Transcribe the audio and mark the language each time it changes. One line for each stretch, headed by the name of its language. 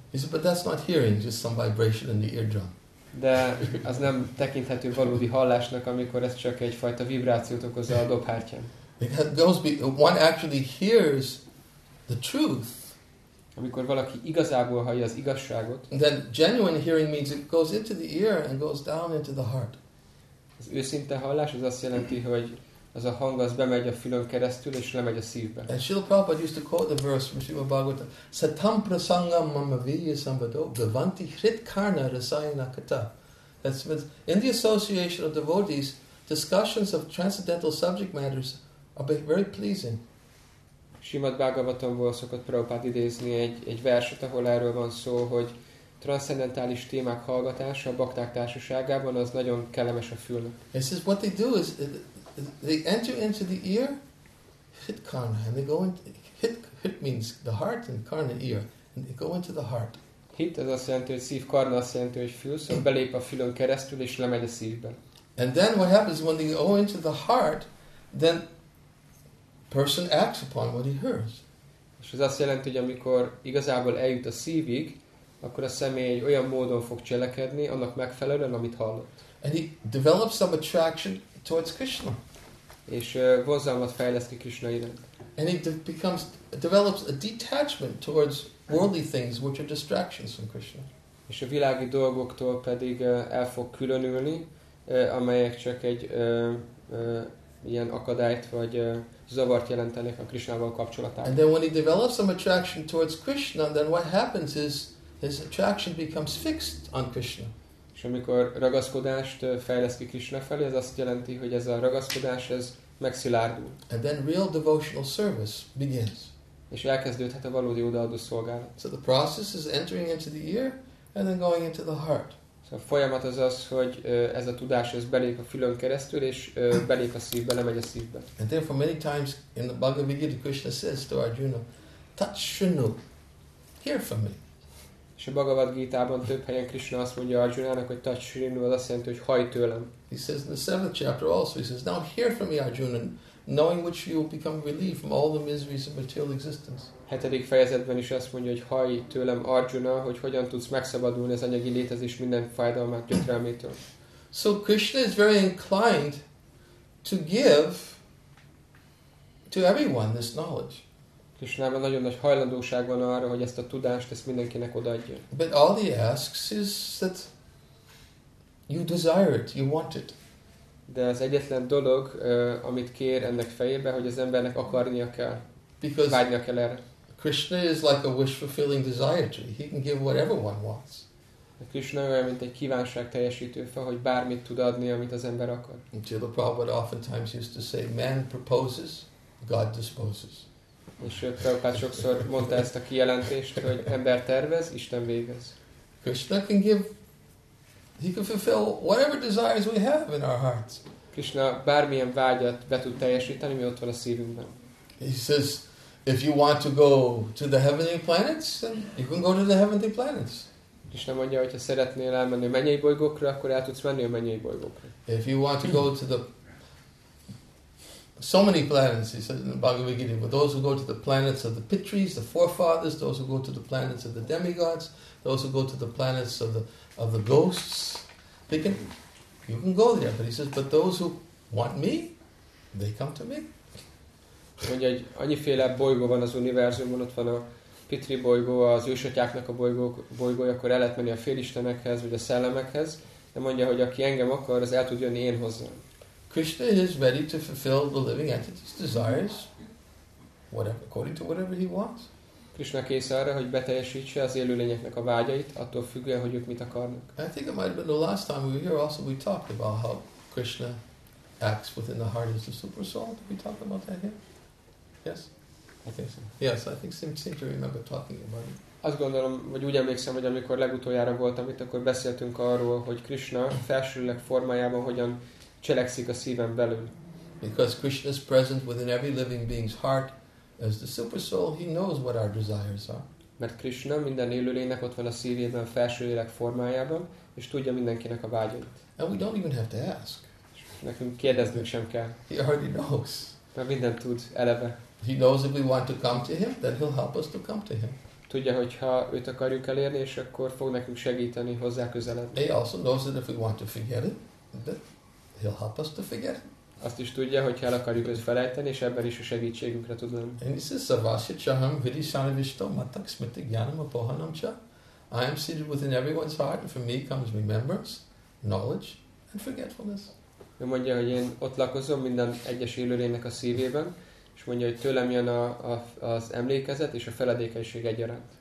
English: He says, but that's not hearing, just some vibration in the eardrum.
Hungarian: De az nem tekinthető valódi hallásnak, amikor ez csak egyfajta vibrációt okozza a dobhártyán.
English: One actually hears the truth.
Hungarian: Amikor valaki igazából hallja az igazságot.
English: Then genuine hearing means it goes into the ear and goes down into the heart.
Hungarian: Az őszinte hallás az azt jelenti, hogy az a hang az bemegy a fülön keresztül és lemegy a szívbe.
English: And Srila Prabhupada used to quote the verse from Srimad Bhagavatam.
Sanskrit: Satam prasangam mama virya sambhado gavanti hrit karna rasayana kata.
English: That's in the association of devotees, discussions of transcendental subject matters are very pleasing.
Hungarian: Srimad Bhagavatamból szokott Prabhupada idézni egy verset, ahol erről van szó, hogy transzendentális témák hallgatása a bakták társaságában az nagyon kellemes a fülnek.
English: This is what they do is they enter into the ear, hit karna, and they go into hit means the heart and karna ear, and they go into the heart.
Hungarian: Hit az azt jelenti, hogy szív, karna azt jelenti, hogy fül, szóval belép a fülön keresztül és lemegy a szívbe.
English: And then what happens when they go into the heart, then person acts upon what he hears.
Hungarian: És ez azt jelenti, hogy amikor igazából eljut a szívig, akkor a személy olyan módon fog cselekedni, annak megfelelően, amit hallott.
English: And he develops some attraction towards Krishna.
Hungarian: És vonzalmat fejleszti Krishna iránt.
English: And he develops a detachment towards worldly things, which are distractions from Krishna.
Hungarian: És a világi dolgoktól pedig el fog különülni, amelyek csak egy ilyen akadályt vagy zavart jelentenek a Krishnával kapcsolatában.
English: And then when he develops some attraction towards Krishna, then what happens is his attraction becomes fixed on Krishna.
Hungarian: És amikor ragaszkodást fejleszt ki Krishna felé, ez azt jelenti, hogy ez a ragaszkodás ez megszilárdul.
English: And then real devotional service begins.
Hungarian: És elkezdődhet a valódi odaadó szolgálat.
English: So the process is entering into the ear and then going into the heart.
Hungarian: A folyamat az az, hogy ez a tudás ez belép a fülön keresztül és belép a szívbe, lemegy a szívbe.
English: And therefore many times in the Bhagavad Gita Krishna says to Arjuna,
Sanskrit: "Tat shrinu,
English: hear from me."
Hungarian: És a Bhagavad Gita-ban több helyen Krishna azt mondja Arjuna-nak, hogy touch Srinu, az azt jelenti, hogy hajj tőlem.
English: He says in the 7th chapter also, he says, now hear from me, Arjuna, knowing which you will become relieved from all the miseries of material existence.
Hungarian: 7. fejezetben is azt mondja, hogy hajj tőlem, Arjuna, hogy hogyan tudsz megszabadulni az anyagi létezés minden fájdalmát, gyötrelmétől.
English: So Krishna is very inclined to give to everyone this knowledge.
Hungarian: Krishnában nagyon nagy hajlandóság van arra, hogy ezt a tudást ezt mindenkinek odaadja.
English: But all he asks is that you desire it, you want it.
Hungarian: De az egyetlen dolog, amit kér ennek fejébe, hogy az embernek akarnia kell,
English: because
Hungarian: vágynia kell erre.
English: Krishna is like a wish fulfilling desire tree. He can give whatever one wants.
Hungarian: A Krishna olyan, mint egy kívánság teljesítő fa, hogy bármit tud adni, amit az ember akar.
English: Srila Prabhupada oftentimes used to say, man proposes, God disposes.
Hungarian: És Prabhupada sokszor mondta ezt a kijelentést, hogy ember tervez, Isten végez.
English: Krishna can give, he can fulfill whatever desires we have in our hearts.
Hungarian: Krishna bármilyen vágyat be tud teljesíteni, mi ott van a szívünkben.
English: He says, if you want to go to the heavenly planets, then you can go to the heavenly planets.
Hungarian: És nem mondja, hogy ha szeretnél elmenni a mennyei bolygókra, akkor el tudsz menni a mennyei bolygókra.
English: If you want to go to the so many planets, he says in the Bhagavad Gita, but those who go to the planets of the Pitris, the forefathers, those who go to the planets of the demigods, those who go to the planets of the ghosts, they can, you can go there. But he says, but those who want me, they come to me.
Hungarian: Mondja, hogy annyiféle bolygó van az univerzumon, ott van a Pitri bolygó, az ősatyáknak a bolygója, akkor el lehet menni a félistenekhez, vagy a szellemekhez, de mondja, hogy aki engem akar, az el tud jönni én hozzám.
English: Krishna is ready to fulfill the living entity's desires, whatever, according to whatever he wants.
Hungarian: Krishna kész arra, hogy beteljesítse az élőlényeknek a vágyait, attól függően, hogy ők mit akarnak.
English: I think it might have been the last time we were here also, we talked about how Krishna acts within the heart of the super soul. Did we talk about that here? Yes? I think so. Remember talking about it.
Hungarian: Azt gondolom, vagy úgy emlékszem, hogy amikor legutoljára voltam itt, akkor beszéltünk arról, hogy Krishna felsőleg formájában hogyan cselekszik a szíven belül.
English: Because Krishna is present within every living being's heart as the super soul, he knows what our desires are.
Hungarian: Mert Krishna minden élőlénynek ott van a szívében felsőleg formájában, és tudja mindenkinek a vágyait.
English: And we don't even have to ask.
Hungarian: Nekünk kérdeznünk sem kell.
English: He already knows.
Hungarian: Mert minden tud eleve.
English: He knows if we want to come to him, then he'll help us to come to him.
Hungarian: Tudja, hogy ha őt akarjuk elérni, és akkor fog nekünk segíteni hozzá közeledni.
English: He also knows that if we want to forget it, then he'll help us to forget it.
Hungarian: Azt is tudja, hogy ha el akarjuk őt felejteni, és ebben is a segítségünkre tud lenni.
English: And he says,
Sanskrit: Savasya chaham virishanavishto matak smriti gyanam apohanam cha.
English: I am seated within everyone's heart, and from me comes remembrance, knowledge, and forgetfulness.
Hungarian: Ő mondja, hogy én ott lakozom minden egyes élőlénynek a szívében, és mondja, hogy tőlem jön az emlékezet és a feledékenység egyaránt.